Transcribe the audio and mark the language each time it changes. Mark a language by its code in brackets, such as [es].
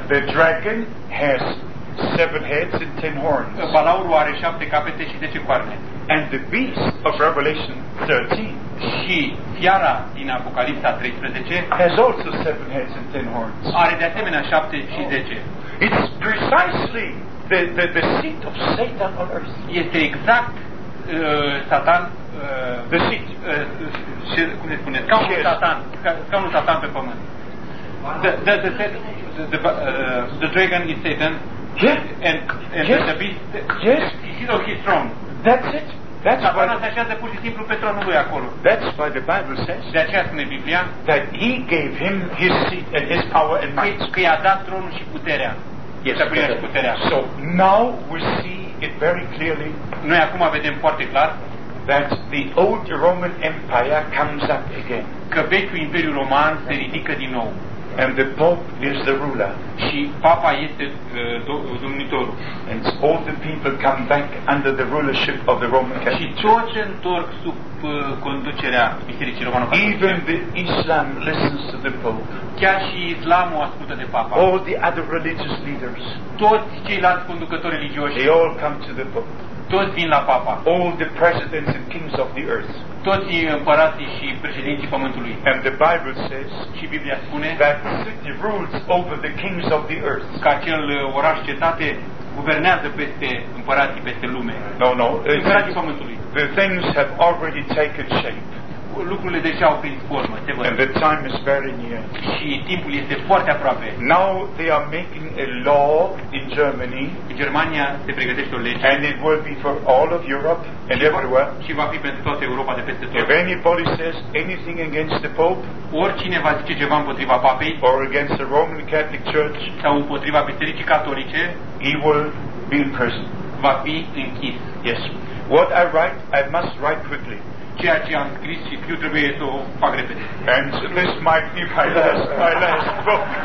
[en] The dragon has seven heads and ten horns. [ro] Palaurul are șapte capete și 10 coarne. [en] And the beast of Revelation 13. [ro] Și fiara din Apocalipsa 13 [en] has also seven heads and ten horns. [ro] Are de asemenea 7 și 10. [en] It's precisely the seat of Satan on earth. [ro] Este exact Satan, [en] the seat, [ro] cum se spune, scaunul yes. Satan, scaunul Satan pe pământ. [en] The dragon is Satan. Yes. And yes. The beast. Yes. He is on his throne. That's it. That's why the Bible says that he gave him his seat and his power and might. [ro] Că i-a dat tronul și puterea. [en] Yes, [ro] puterea. [en] So now we see it very clearly. [ro] Noi acum vedem foarte clar [en] that the old Roman Empire comes up again. [ro] Că vechiul Imperiu Roman se ridică din nou. [en] And the Pope is the ruler. [ro] Și Papa este domnitorul. [en] And all the people come back under the rulership of the Roman Catholic. [ro] Și toți se întorc sub conducerea Bisericii Romano-Catolice. [en] Even the Islam listens to the Pope. [ro] Chiar și Islamul ascultă de Papa. [en] All the other religious leaders. [ro] Toți ceilalți conducători religioși. [en] They all come to the Pope. [ro] Toți vin la Papa. [en] All the presidents and kings of the earth. [ro] Toți împărații și președinții pământului. [en] And the Bible says, [ro] și Biblia spune, [en] that city rules over the kings of the earth. [ro] Că acel oraș cetate guvernează peste împărații, peste lume. [en] No, no. [ro] Împărații pământului. [en] The things have already taken shape. [ro] Lucrurile deja au prins formă, se văd. [en] And the time is very near. [ro] Și timpul este foarte aproape. [en] Now they are making a law in Germany. [ro] În Germania se pregătește o lege. [en] And it will be for all of Europe and everywhere. [ro] Și va fi pentru toată Europa de peste tot. [en] If anybody says anything against the Pope, [ro] oricine va zice ceva împotriva Papei, [en] or against the Roman Catholic Church, [ro] sau împotriva Bisericii Catolice, [en] he will be in prison. [ro] Va fi închis. [en] Yes. What I write, I must write quickly. [ro] Ceea ce am scris și scriu trebuie să o fac repede. [en] And this might be my last book.